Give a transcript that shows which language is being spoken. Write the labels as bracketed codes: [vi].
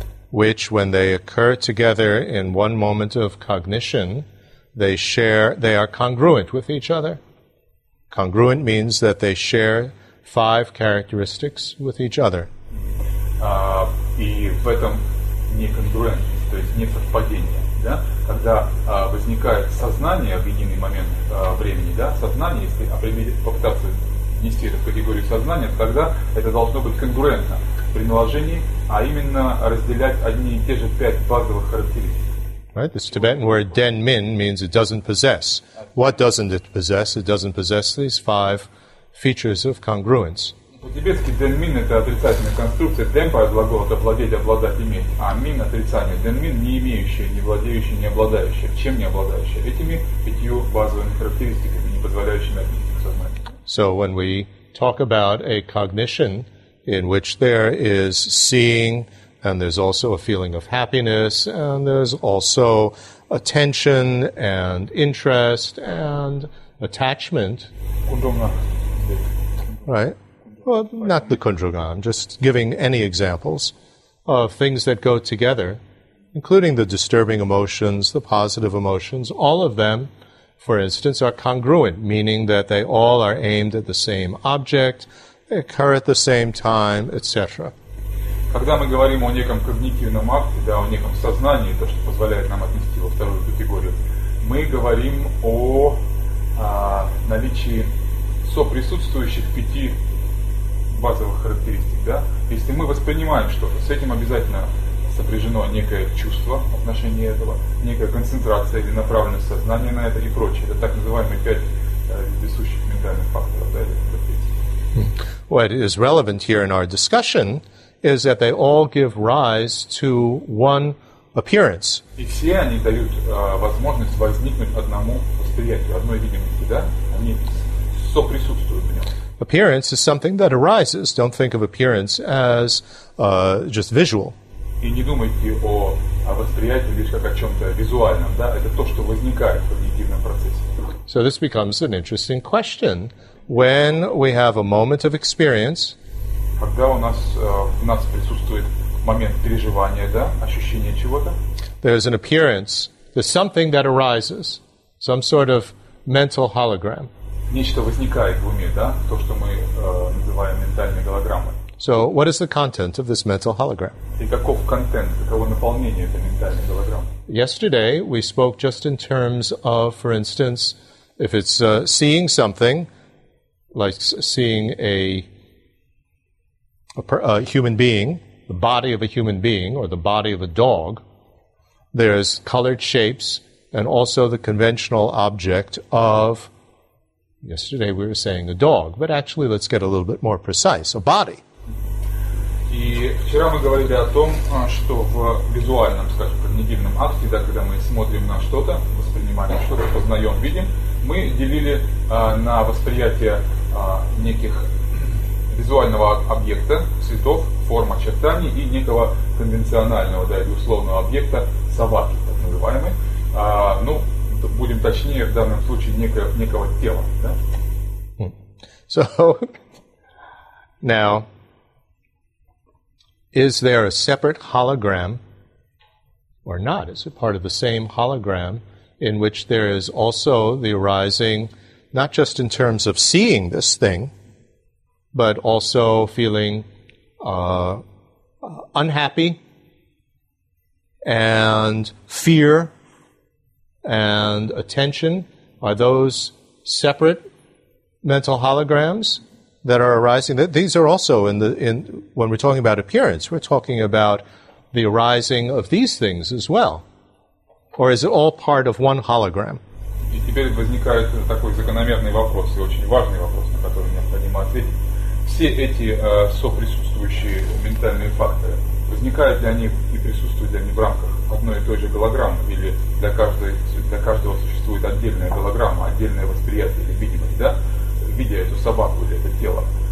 [en] Which, when they occur together in one moment of cognition, they share, they are congruent with each other. Congruent means that they share five characteristics with each other. [ru] И в этом неконгруентность, то есть несовпадение, да? Когда возникает сознание в единый момент времени, да? Сознание, если определить, попытаться внести это в категорию сознания, тогда это должно быть конгруентно при наложении, а именно разделять одни и те же пять базовых характеристик. [en] Right, this Tibetan word den min means it doesn't possess. What doesn't it possess? It doesn't possess these five features of congruence. [ru] По-тибетски den min это отрицательная конструкция. Den по глаголу это владеть, обладать, иметь. А min отрицание. Den min не имеющее, не владеющее, не обладающее. Чем не обладающее? Этими пятью базовыми характеристиками, не позволяющими отнести к сознанию. [en] So when we talk about a cognition in which there is seeing, and there's also a feeling of happiness, and there's also attention and interest and attachment. Kundunga. Right? Well, not the kundunga, I'm just giving any examples of things that go together, including the disturbing emotions, the positive emotions, all of them, for instance, are congruent, meaning that they all are aimed at the same object, occur at the same time, etc. [ru] Когда мы говорим о неком когнитивном акте, да, о неком сознании, то, что позволяет нам отнести во вторую категорию, мы говорим о наличии соприсутствующих пяти базовых характеристик. Да? Если мы воспринимаем что-то, с этим обязательно сопряжено некое чувство в отношении этого, некая концентрация или направленность сознания на это и прочее. Это так называемые пять присущих ментальных факторов. Да, [en] What is relevant here in our discussion is that they all give rise to one appearance. [ru] И все они дают возможность возникнуть одному восприятию, одной видимости, да? Они соприсутствуют в нем. [en] Appearance is something that arises. Don't think of appearance as just visual. [ru] И не думайте о восприятии лишь как о чем-то визуальном, да? Это то, что возникает в когнитивном процессе. [en] So this becomes an interesting question. When we have a moment of experience, [ru] когда у нас присутствует момент переживания, да, ощущения чего-то, [en] there's an appearance, there's something that arises, some sort of mental hologram. [ru] Нечто возникает в уме, да, то, что мы называем ментальной голограммой. [en] So, what is the content of this mental hologram? [ru] И каков контент, каково наполнение этой ментальной голограммы? [en] Yesterday, we spoke just in terms of, for instance, if it's seeing something, like seeing a human being, the body of a human being, or the body of a dog, there's colored shapes, and also the conventional object of, yesterday we were saying a dog, but actually let's get a little bit more precise, a body. [ru] И вчера мы говорили о том, что в визуальном, скажем, когнитивном акте, да, когда мы смотрим на что-то, воспринимаем что-то, познаем, видим, мы делили на восприятие неких визуального объекта, цветов, форм, очертаний и некого конвенционального, да, или условного объекта, собаки, так называемый. Ну, будем точнее, в данном случае некого тела. Да? [en] So, now, is there a separate hologram, or not? Is it part of the same hologram in which there is also the arising, not just in terms of seeing this thing, but also feeling unhappy, and fear and attention, are those separate mental holograms that are arising? These are also in when we're talking about appearance, we're talking about the arising of these things as well. Or is it all part of one hologram? [ru] И теперь возникает такой закономерный вопрос, и очень важный вопрос, на который необходимо ответить. Все эти соприсутствующие ментальные факторы, возникают ли они и присутствуют ли они в рамках одной и той же голограммы, или для каждого существует отдельная голограмма, отдельное восприятие или видимость, да, видя эту собаку или это тело,